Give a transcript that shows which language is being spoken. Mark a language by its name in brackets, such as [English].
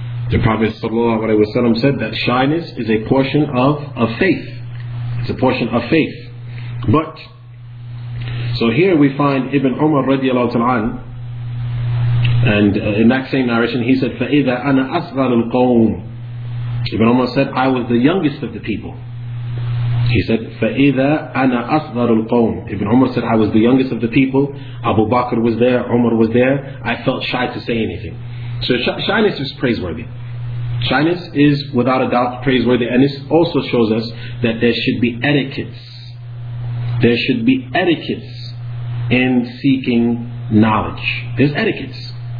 [English] The Prophet sallallahu alaihi wasallam said that shyness is a portion of faith. It's a portion of faith. But so here we find Ibn Umar radiallahu ta'ala, and in that same narration he said, [Arabic] فَإِذَا أَنَا أَصْغَرُ الْقَوْمِ. [English] Ibn Umar said, I was the youngest of the people. He said, [Arabic] فَإِذَا أَنَا أَصْغَرُ الْقَوْمِ. [English] Ibn Umar said, I was the youngest of the people. Abu Bakr was there, Umar was there. I felt shy to say anything. So shyness is praiseworthy. Shyness is without a doubt praiseworthy, and this also shows us that there should be etiquettes. there should be etiquettes in seeking knowledge. There's etiquettes.